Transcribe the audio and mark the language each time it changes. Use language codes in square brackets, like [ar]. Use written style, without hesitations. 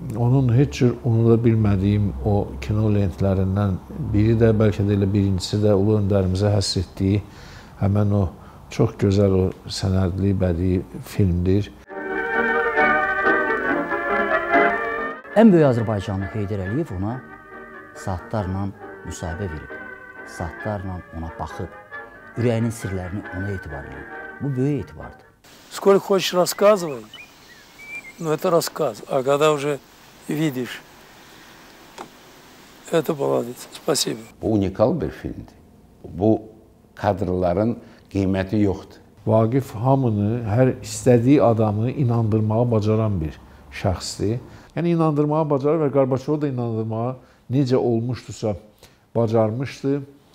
[az] Onun heç cür unuda bilmədiyim o kino lentlərindən biri də, bəlkə də elə birincisi də ulu öndərimizə həsr etdiyi həmən o çox gözəl o sənədli bədii filmdir. Ən böyük azərbaycanlı Heydər Əliyev ona saatlarla müsahibə verib, saatlarla ona baxıb, ürəyinin sirlərini ona etibar edib. Bu böyük etibardır. [ru] Сколько хочешь рассказывай, но это рассказ. А когда уже видишь, это молодец. Спасибо. [az] Bu unikal bir filmdir. Bu kadrların qiyməti yoxdur. Vaqif hamını, hər istədiyi adamı inandırmağa bacaran bir şəxsdir. Yəni inandırmağa bacarır və Qarbaçovu da inandırmağa necə olmuşdursa bacarmışdı.